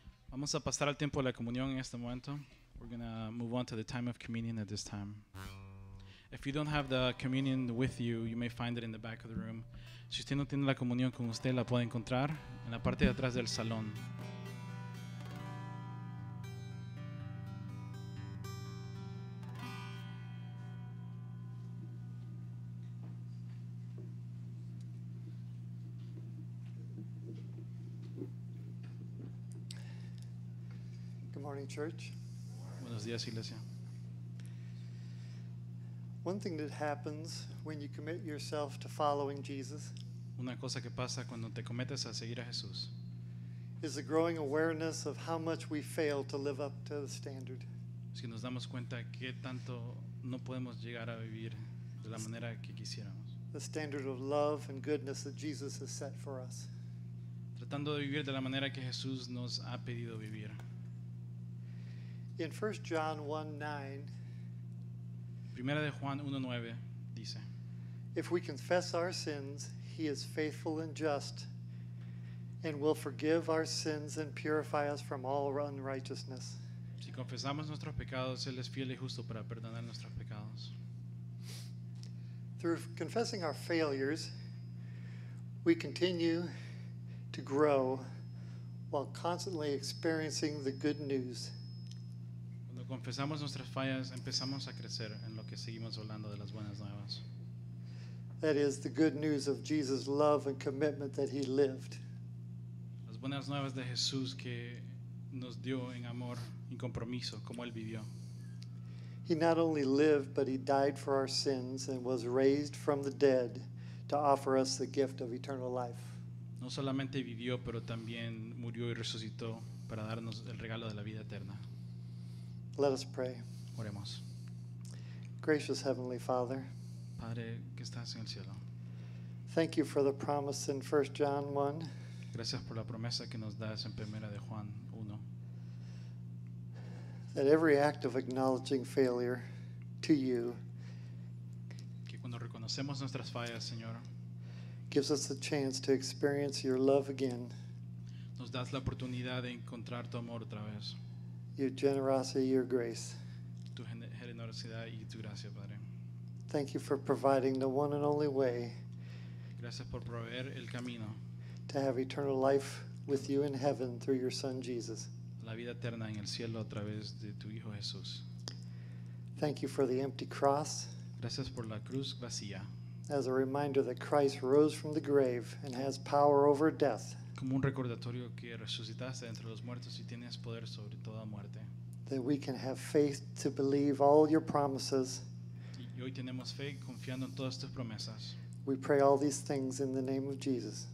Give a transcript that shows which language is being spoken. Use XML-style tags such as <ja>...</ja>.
<es>Vamos a pasar al tiempo de la comunión en este momento.</es> <en>We're going to move on to the time of communion at this time. If you don't have the communion with you, you may find it in the back of the room.</en> <es>Si usted no tiene la comunión con usted, la puede encontrar en la parte de atrás del salón.</es> <en>Good morning, church.</en> <es>Buenos días, iglesia.</es> <en>One thing that happens when you commit yourself to following Jesus.</en> <es>Una cosa que pasa cuando te cometes a seguir a Jesús.</es> <en>Is a growing awareness of how much we fail to live up to the standard.</en> <es>Si nos damos cuenta qué tanto no podemos llegar a vivir de la manera que quisiéramos.</es> <en>The standard of love and goodness that Jesus has set for us.</en> <es>Tratando de vivir de la manera que Jesús nos ha pedido vivir.</es> <en>In 1 John 1:9.</en> <es>Primera de Juan 1:9 dice.</es> <en>If we confess our sins, He is faithful and just and will forgive our sins and purify us from all unrighteousness.</en> <es>Si confesamos nuestros pecados, Él es fiel y justo para perdonar nuestros pecados.</es> <en>Through confessing our failures, we continue to grow while constantly experiencing the good news.</en> <es>Cuando confesamos nuestras fallas, empezamos a crecer en lo que seguimos hablando de las buenas nuevas.</es> <en>That is the good news of Jesus' love and commitment that He lived.</en> <es>Las buenas nuevas de Jesús que nos dio en amor y compromiso, como Él vivió.</es> <en>He not only lived, but He died for our sins and was raised from the dead to offer us the gift of eternal life.</en> <es>No solamente vivió, pero también murió y resucitó para darnos el regalo de la vida eterna.</es> <en>Let us pray.</en> <es>Oremos.</es> <en>Gracious Heavenly Father,</en> <es>Padre que estás en el cielo.</es> <en>Thank you for the promise in 1 John 1.</en> <es>Gracias por la promesa que nos das en Primera de Juan 1.</es> <en>That every act of acknowledging failure to you,</en> <es>que cuando reconocemos nuestras fallas, Señor,</es> <en>gives us the chance to experience your love again.</en> <es>Nos das la oportunidad de encontrar tu amor otra vez.</es> <en>Your generosity, your grace.</en> <es>Tu generosidad y tu gracia, Padre.</es> <en>Thank you for providing the one and only way.</en> <es>Gracias por proveer el camino.</es> <en>To have eternal life with you in heaven through your Son Jesus.</en> <es>La vida eterna en el cielo a través de tu Hijo Jesús.</es> <en>Thank you for the empty cross.</en> <es>Gracias por la cruz vacía.</es> <en>As a reminder that Christ rose from the grave and has power over death.</en> <es>Como un recordatorio que resucitaste entre los muertos y tienes poder sobre toda muerte.</es> <en>That we can have faith to believe all your promises.</en> <es>Y hoy tenemos fe confiando en todas tus promesas.</es> <en>We pray all these things in the name of Jesus.</en>